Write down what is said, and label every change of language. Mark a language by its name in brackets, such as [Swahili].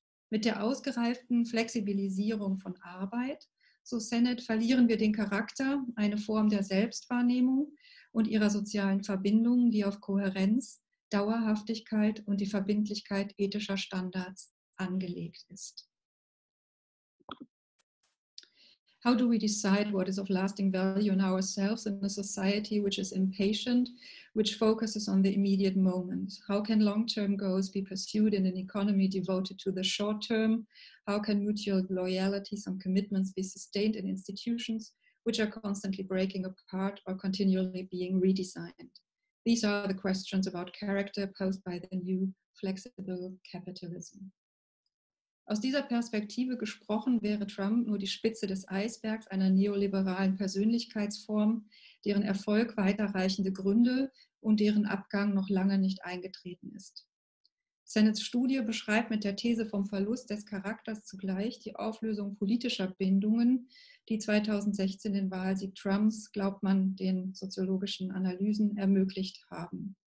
[German] Mit der ausgereiften Flexibilisierung von Arbeit, so Sennett, verlieren wir den Charakter, eine Form der Selbstwahrnehmung und ihrer sozialen Verbindungen, die auf Kohärenz, Dauerhaftigkeit und die Verbindlichkeit ethischer Standards angelegt ist. [English] How do we decide what is of lasting value in ourselves in a society which is impatient which focuses on the immediate moment. How can long-term goals be pursued in an economy devoted to the short term? How can mutual loyalties and commitments be sustained in institutions which are constantly breaking apart or continually being redesigned? These are the questions about character posed by the new flexible capitalism. [German] Aus dieser Perspektive gesprochen wäre Trump nur die Spitze des Eisbergs einer neoliberalen Persönlichkeitsform, deren Erfolg weiterreichende Gründe und deren Abgang noch lange nicht eingetreten ist. Sennetts Studie beschreibt mit der These vom Verlust des Charakters zugleich die Auflösung politischer Bindungen, die 2016 den Wahlsieg Trumps, glaubt man, den soziologischen Analysen ermöglicht haben.